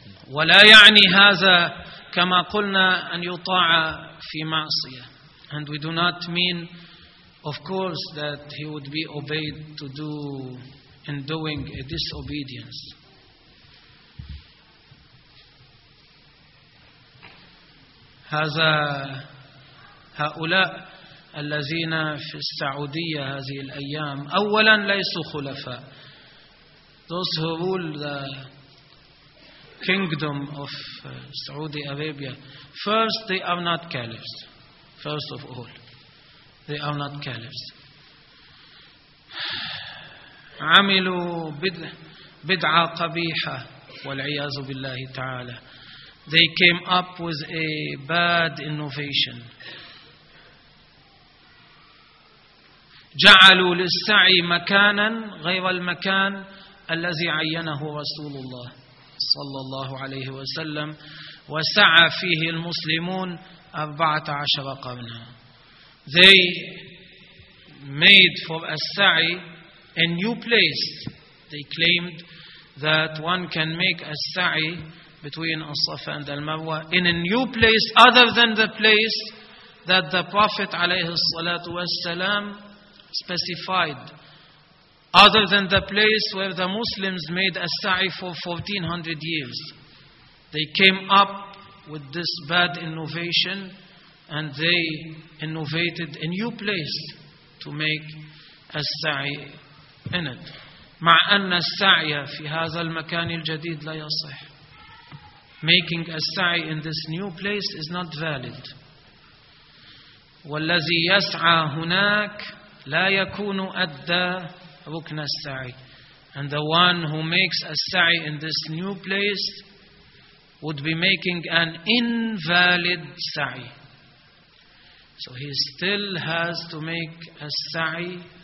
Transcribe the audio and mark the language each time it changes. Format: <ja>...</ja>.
<ar>ولا يعني هذا كما قلنا أن يطاع في معصية.</ar> <en>And we do not mean, of course, that he would be obeyed to do in doing a disobedience.</en> <ar>هذا هؤلاء الذين في السعودية هذه الأيام أولا ليسوا خلفاء.</ar> <en>Those who rule the kingdom of Saudi Arabia, first they are not caliphs. First of all, they are not caliphs.</en> <ar>عملوا بدعة قبيحة والعياذ بالله تعالى.</ar> <en>They came up with a bad innovation.</en> <ar>جعلوا للسعي مكانا غير المكان الذي عينه رسول الله صلى الله عليه وسلم وسعى فيه المسلمون 14 قرنا.</ar> <en>They made for السعي a new place. They claimed that one can make السعي between الصفا and المروة in a new place other than the place that the Prophet</en> <ar>عليه الصلاة والسلام</ar> <en>specified, other than the place where the Muslims made a sa'i for 1400 years. They came up with this bad innovation and they innovated a new place to make a sa'i in it.</en> <ar>مع أن السعي في هذا المكان الجديد لا يصح.</ar> <en>Making a sa'i in this new place is not valid.</en> <ar>والذي يسعى هناك لا يكون أدى ركن السعي.</ar> <en>And the one who makes a sa'i in this new place would be making an invalid sa'i. So he still has to make a sa'i.</en>